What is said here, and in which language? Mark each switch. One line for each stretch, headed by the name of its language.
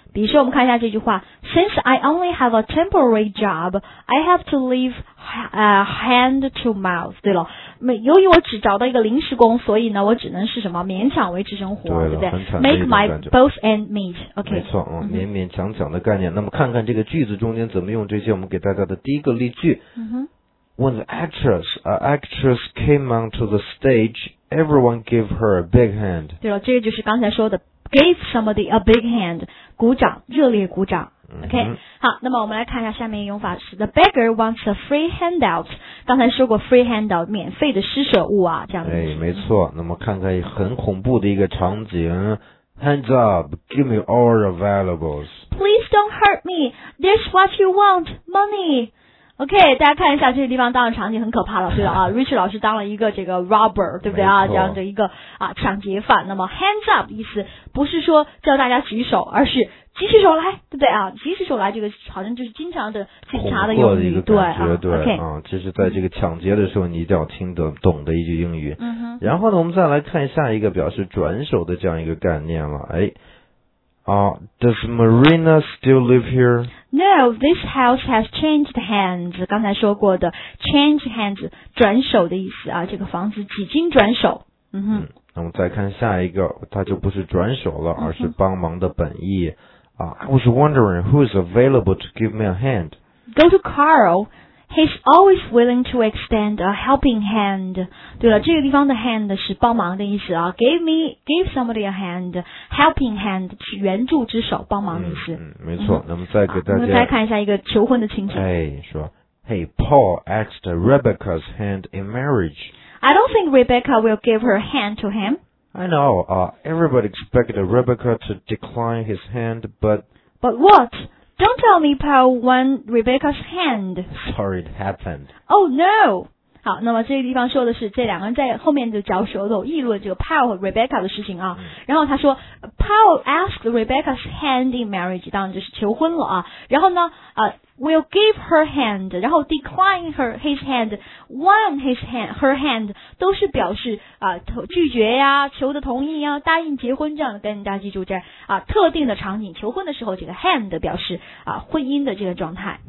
Chinese: 比如说我们看一下这句话，
English: since I only have a temporary job I have to leave hand to mouth，
Chinese: 对了，由于我只找到一个临时工，所以呢我只能是什么，勉强维持生活，对不对？
English: make my both end meet。 OK，
Chinese: 没错、啊、勉勉强强的概念。那么看看这个句子中间怎么用这些，我们给大家的第一个例句、嗯、
English: when the actress actress came onto the stageEveryone gave her a big hand。
Chinese: 对了，这个就是刚才说的
English: gave somebody a big hand，
Chinese: 鼓掌，热烈鼓掌。 OK， 好，那么我们来看一下下面用法是
English: The beggar wants a free handout。
Chinese: 刚才说过 free handout， 免费的施舍物啊，这样的。哎，没错。那么看看很恐怖的一个场景。
English: Hands up, give me all availables. Please don't hurt me. There's what you want, money.
Chinese: OK， 大家看一下这个地方当的场景很可怕了，对吧？啊，Richard 老师当了一个这个 robber， 对不对啊？这样的一个啊抢劫犯。那么 hands up 意思不是说叫大家举手，而是举起手来，对不对啊？举起手来，这个好像就是经常的警察的用语，一个感觉，对啊。 OK，啊，这是在这个抢劫的时候，你一定要听得懂的一句英语。嗯哼。然后呢，我们再来看下一个表示转手的这样一个概念了。
English: 哎，啊 ，Does Marina still live here？ No, this house has changed hands.
Chinese: 刚才说过的 change hands 转手的意思啊，这个房子几经转手。嗯哼。那么再看下一个，它就不是转手了，而是帮忙的本意啊。
English: I was wondering who is available to give me a hand. Go to Carl. He's always willing to extend a helping hand.
Chinese: 对了，这个地方的 hand 是帮忙的意思啊。
English: Give somebody a hand, helping hand
Chinese: 是援助之手，帮忙的意思。没错。那么再给大家，那么再看一下一个求婚的情景。哎，说
English: ，Hey, Paul asked Rebecca's hand in marriage. I don't think Rebecca will give her hand to him. I know. Everybody expected Rebecca to decline his hand, but. But what? Don't tell me Paul won Rebecca's hand. Sorry, it happened. Oh, no.
Chinese: 好，那么这个地方说的是这两个人在后面就嚼舌头议论这个 Paul 和 Rebecca 的事情啊。然后他说
English: Paul asked Rebecca's hand in marriage,
Chinese: 当然就是求婚了啊。然后呢
English: will give her hand,
Chinese: 然后
English: decline his hand,
Chinese: won his hand, her hand, 都是表示拒绝呀，求的同意呀，答应结婚这样的，跟大家记住这特定的场景，求婚的时候这个 hand 表示婚姻的这个状态。